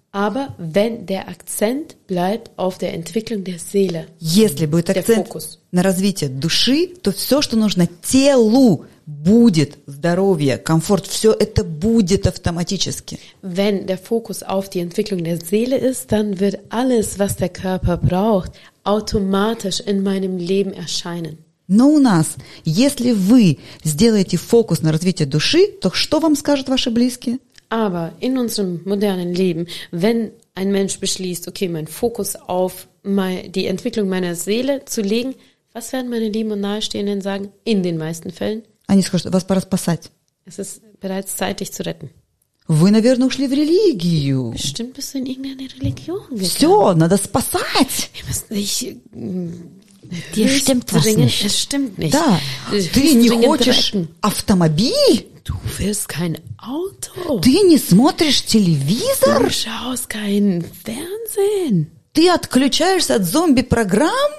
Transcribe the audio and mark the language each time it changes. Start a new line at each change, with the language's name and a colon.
German: Aber wenn der Akzent bleibt auf der Entwicklung der Seele,
Russian: если будет акцент на развитие души, то все, что нужно телу, будет здоровье, комфорт, все это будет автоматически.
German: Wenn der Fokus auf die Entwicklung der Seele ist, dann wird alles, was der Körper braucht, automatisch in meinem Leben erscheinen.
Russian: Но у нас, если вы сделаете фокус на развитие души, то что вам скажут ваши близкие?
German: Aber in unserem modernen Leben, wenn ein Mensch beschließt, okay, meinen Fokus auf die Entwicklung meiner Seele zu legen, was werden meine Lieben und Nahestehenden sagen? In den meisten Fällen?
Russian: Они скажут, вас пора спасать.
German: Es ist bereits Zeit, dich zu retten.
Russian: Вы, наверное, ушли в религию.
German: Bestimmt bist du in irgendeine Religion gegangen.
Russian: Все, надо спасать.
German: Ich muss nicht... Dir stimmt was nicht. Es stimmt nicht.
Russian: Да. Ты не хочешь автомобиль?
German: Du willst kein Auto.
Russian: Ты не смотришь телевизор?
German: Du schaust kein Fernsehen.
Russian: Ты отключаешься от зомби-программ?